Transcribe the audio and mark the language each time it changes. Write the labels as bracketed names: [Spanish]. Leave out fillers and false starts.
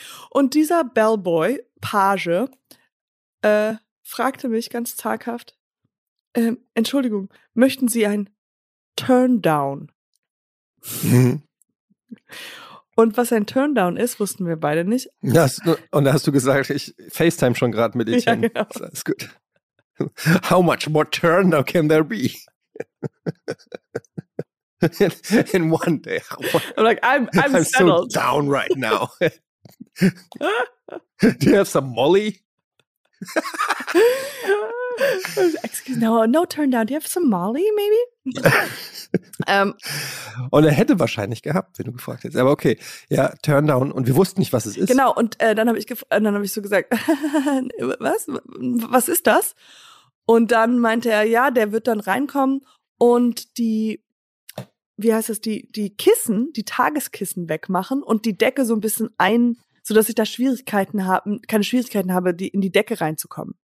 [German] Und dieser Bellboy, Page, fragte mich ganz zaghaft, Entschuldigung, möchten Sie ein Turndown? Und was ein Turndown ist, wussten wir beide nicht. Ja, und da hast du gesagt, ich FaceTime schon gerade mit Etienne. Ja, genau. Das ist gut. [English] How much more Turndown can there be? In one day. I'm like, I'm settled. So down right now. Do you have some Molly? Excuse, no turn down. Do you have some Molly, maybe? [German] Und er hätte wahrscheinlich gehabt, wenn du gefragt hättest. Aber okay, ja, turn down. Und wir wussten nicht, was es ist. Genau, und dann habe ich so gesagt, was ist das? Und dann meinte er, ja, der wird dann reinkommen. Und die Kissen, die Tageskissen wegmachen und die Decke so ein bisschen ein, sodass ich da keine Schwierigkeiten habe, die in die Decke reinzukommen.